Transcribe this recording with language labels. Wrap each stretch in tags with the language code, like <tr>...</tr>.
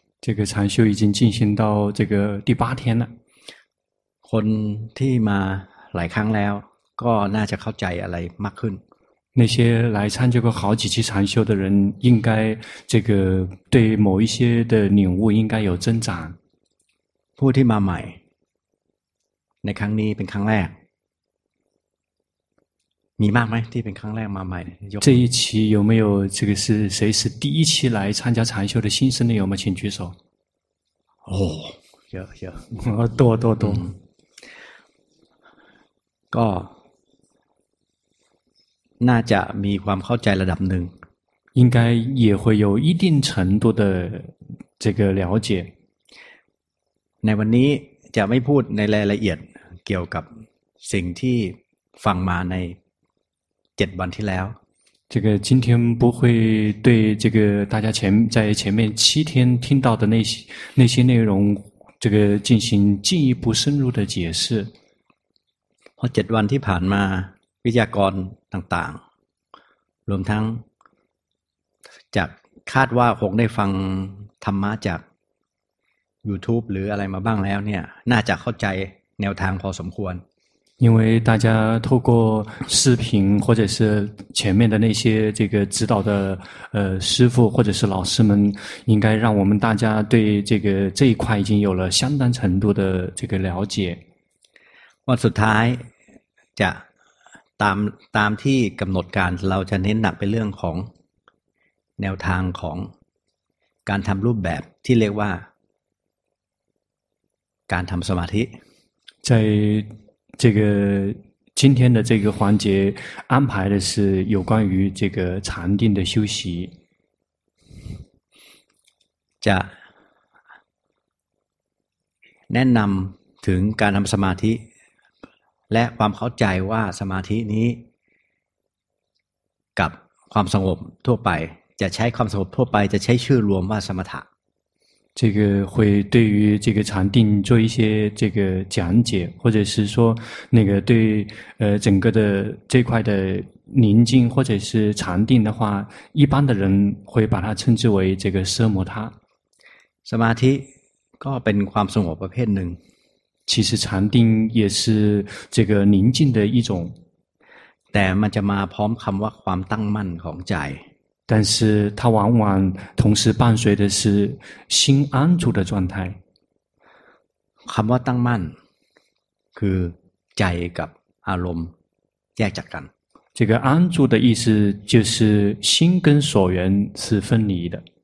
<zh>这个禅修已经进行到这个第八天了</zh> <th>คนที่มาหลายครั้งแล้วก็น่าจะเข้าใจอะไรมากขึ้น</th> <zh>那些来参加过好几期禅修的人应该这个对某一些的领悟应该有增长</zh> <th>ผู้ที่มาใหม่ในครั้งนี้เป็นครั้งแรกมีมากไหมที่เป็นครั้งแรกมาใหม่</th> <zh>这一期有没有这个是谁是第一期来参加禅修的新生的有吗请举手哦有有多多多</zh> <th>ก็น่าจะมีความเข้าใจระดับหนึ่ง</th> <zh>应该也会有一定程度的这个了解</zh> <th>ในวันนี้จะไม่พูดในรายละเอียดเกี่ยวกับสิ่งที่ฟังมาในเจ็ดวันที่แล้ว</th> <zh>这个今天不会对这个大家前在前面七天听到的那些内容这个进行进一步深入的解释</zh> <th>เพราะเจ็ดวันที่ผ่านมาวิทยากรต่างๆรวมทั้งจากคาดว่าคงได้ฟังธรรมะจาก YouTube หรืออะไรมาบ้างแล้วเนี่ยน่าจะเข้าใจแนวทางพอสมควร</th> <zh>因为大家透过视频或者是前面的那些这个指导的师父或者是老师们应该让我们大家对这个这一块已经有了相当程度的这个了解</zh> <th>วันสุดท้ายจะตามที่กำหนดการเราจะเน้นหนักไปเรื่องของแนวทางของการทำรูปแบบที่เรียกว่าการทำสมาธิ</th> <zh>在这个今天的这个环节安排的是有关于这个禅定的修习。</zh> <th>จะแนะนำถึงการทำสมาธิและความเข้าใจว่าสมาธินี้กับความสงบทั่วไปจะใช้ความสงบทั่วไปจะใช้ชื่อรวมว่าสมถะ</th> <zh>这个会对于这个禅定做一些这个讲解或者是说那个对整个的这块的宁静或者是禅定的话一般的人会把它称之为这个奢摩他</zh> <th>สมาธิก็เป็นความสงบประเภทหนึ่ง</th> <zh>其实禅定也是这个宁静的一种</zh> <th>แต่มันจะมาพร้อมคำว่าความตั้งมั่นของใจ</th> <zh>但是它往往同时伴随的是心安住的状态。</zh> <th>คำว่าตั้งมั่นคือใจกับอารมณ์แยกจากกัน</th> <zh>这个安住的意思就是心跟所缘是分离的。</zh>